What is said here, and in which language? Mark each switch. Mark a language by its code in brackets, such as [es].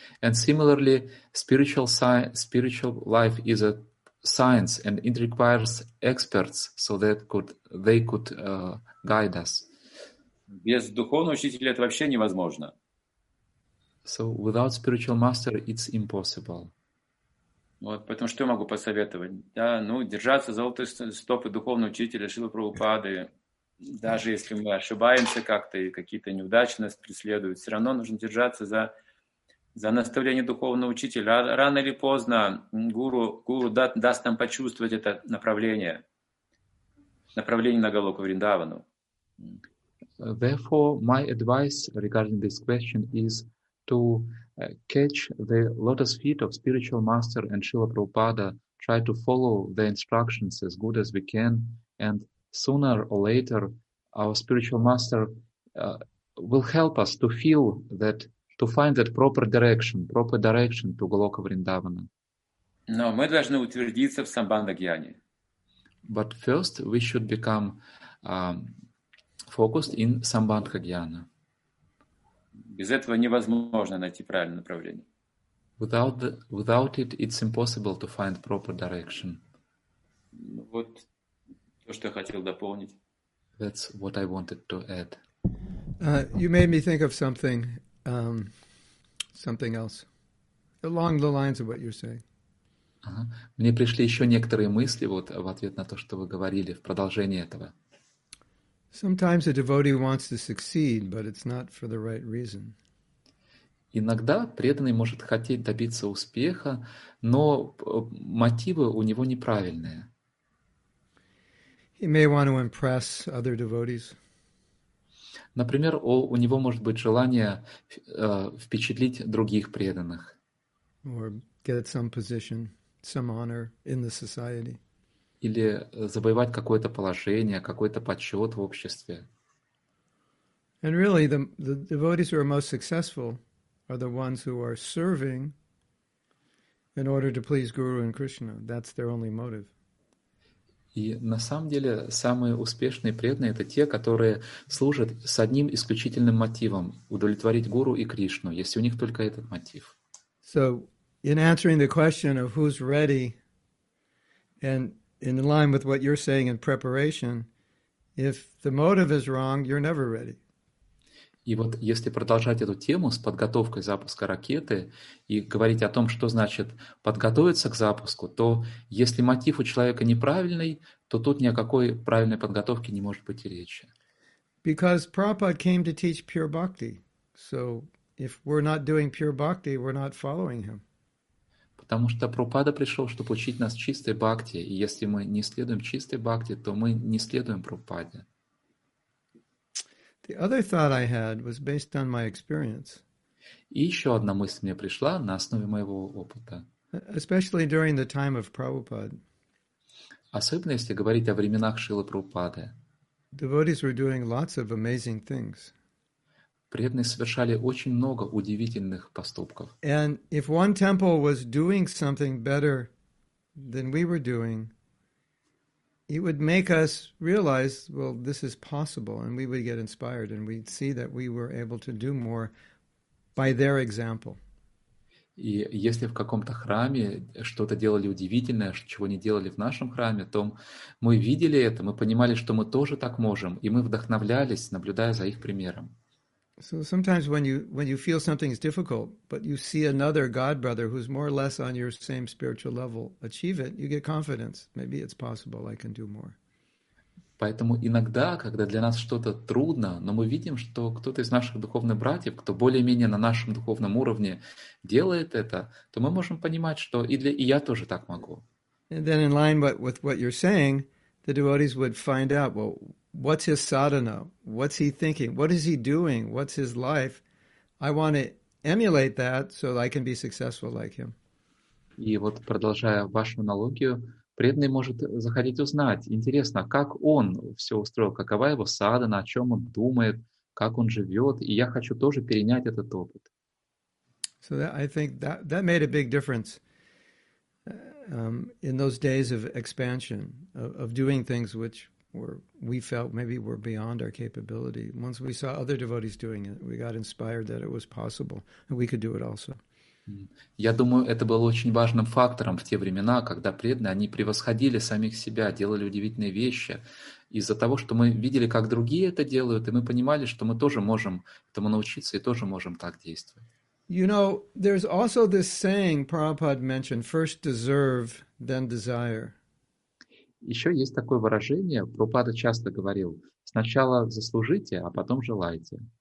[en] And similarly, spiritual life is a science and it requires experts so that they could guide us. [ru] Без духовного учителя это вообще невозможно. [en] So without spiritual master it's impossible. [ru] Вот, поэтому что я могу посоветовать? Да, ну, держаться за золотые стопы духовного учителя Шрилы Прабхупады, даже если мы ошибаемся как-то и какие-то неудачи нас преследуют, все равно нужно держаться за наставление духовного учителя. Рано или поздно гуру даст нам почувствовать это направление на Голоку Вриндавану. [en] Therefore, my advice regarding this question is to catch the lotus feet of spiritual master and Srila Prabhupada, try to follow the instructions as good as we can, and sooner or later our spiritual master will help us to feel that, to find that proper direction to Goloka Vrindavana. [ru] Но мы должны утвердиться в самбандхагьяне. [en] But first we should become focused in самбандхагьяна. [ru] Без этого невозможно найти правильное направление. [en] Without it, it's impossible to find proper direction. [ru] Вот то, что я хотел дополнить. [en] That's what I wanted to add. You made me think of something else, along the lines of what you're saying. [ru] Мне пришли еще некоторые мысли вот в ответ на то, что вы говорили, в продолжение этого. [en] Sometimes a devotee wants to succeed, but it's not for the right reason. [ru] Иногда преданный может хотеть добиться успеха, но мотивы у него неправильные. [en] He may want to impress other devotees. [ru] Например, у него может быть желание впечатлить других преданных. [en] Or get some position, some honor in the society. [ru] Или завоевать какое-то положение, какой-то почет в обществе. [en] And really, the devotees who are most successful are the ones who are serving in order to please Guru and Krishna. That's their only motive. [ru] И на самом деле самые успешные преданные — это те, которые служат с одним исключительным мотивом — удовлетворить Гуру и Кришну, если у них только этот мотив. [en] So, in answering the question of who's ready and in line with what you're saying in preparation, if the motive is wrong, you're never ready. [ru] И вот если продолжать эту тему с подготовкой запуска ракеты и говорить о том, что значит подготовиться к запуску, то если мотив у человека неправильный, то тут ни о какой правильной подготовке не может быть и речи. [en] Because Prabhupada came to teach pure bhakti. So if we're not doing pure bhakti, we're not following him. [ru] Потому что Прабхупада пришел, чтобы учить нас чистой бхакти. И если мы не следуем чистой бхакти, то мы не следуем Прабхупаде. [en] The other thought I had was based on my experience. [ru] И еще одна мысль мне пришла на основе моего опыта. [en] Especially during the time of Prabhupada. [ru] Особенно если говорить о временах Шрилы Прабхупады. [en] Devotees were doing lots of amazing things. [ru] преданные совершали очень много удивительных поступков. [en] And if one temple was doing something better than we were doing, it would make us realize, well, this is possible, and we would get inspired, and we'd see that we were able to do more by their example. [ru] И если в каком-то храме что-то делали удивительное, чего не делали в нашем храме, то мы видели это, мы понимали, что мы тоже так можем, и мы вдохновлялись, наблюдая за их примером. [en] So sometimes when you feel something is difficult, but you see another God brother who's more or less on your same spiritual level achieve it, you get confidence. Maybe it's possible I can do more. [ru] Поэтому иногда, когда для нас что-то трудно, но мы видим, что кто-то из наших духовных братьев, кто более-менее на нашем духовном уровне делает это, то мы можем понимать, что и я тоже так могу. [en] And then in line with what you're saying, the devotees would find out, well, what's his sadhana? What's he thinking? What is he doing? What's his life? I want to emulate that so that I can be successful like him. [ru] И вот продолжая вашу аналогию, преданный может захотеть узнать, интересно, как он все устроил, какова его садхана, о чем он думает, как он живет, и я хочу тоже перенять этот опыт. [en] So that, I think that made a big difference in those days of expansion, of doing things which we felt maybe were beyond our capability. Once we saw other devotees doing it, we got inspired that it was possible, and we could do it also. [ru] Я думаю, это было очень важным фактором в те времена, когда преданные, они превосходили самих себя, делали удивительные вещи. Из-за того, что мы видели, как другие это делают, и мы понимали, что мы тоже можем этому научиться и тоже можем так действовать. [en] You know, there's also this saying Prabhupada mentioned, first deserve, then desire. [ru] Еще есть такое выражение, Прабхупада часто говорил, сначала заслужите, а потом желайте.